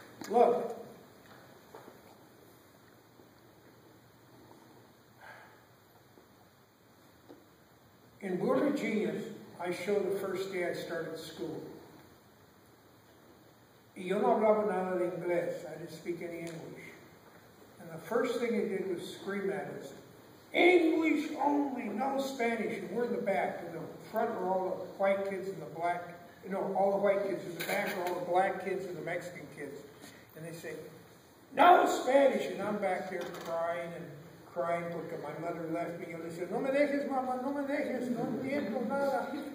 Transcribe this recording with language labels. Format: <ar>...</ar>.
<en>Look, genius I showed the first day I started school.</en> <es>Yo no hablaba nada de inglés.</es> <en>I didn't speak any English. And the first thing he did was scream at us, English only, no Spanish. And we're in the back. In the front are all the white kids and the black, you know, all the white kids. In the back are all the black kids and the Mexican kids. And they say, no Spanish. And I'm back there crying and crying because my mother left me. And they said,</en> <es>no me dejes, mama, no me dejes, no entiendo nada.</es>